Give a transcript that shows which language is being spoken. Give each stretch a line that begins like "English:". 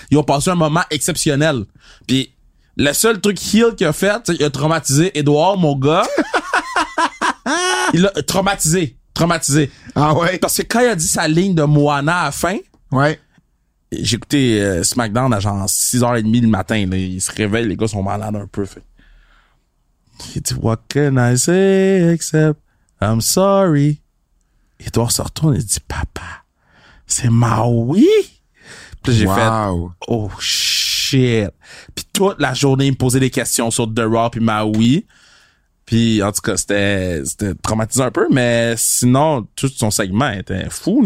French: Ils ont passé un moment exceptionnel. Puis le seul truc heel qu'il a fait, il a traumatisé Edouard, mon gars. Il l'a traumatisé. Traumatisé. Ah ouais? Parce que quand il a dit sa ligne de Moana à la fin. Ouais. J'ai écouté SmackDown à genre 6h30 le matin. Là, il se réveille, les gars sont malades un peu. Fait. Il dit,
English: what can I say except I'm sorry.
French: Et toi, on se retourne et dit, papa, c'est Maui. Puis j'ai fait, oh shit. Puis toute la journée, il me posait des questions sur The Rock et Maui. Puis en tout cas, c'était traumatisant un peu, mais sinon, tout son segment était fou.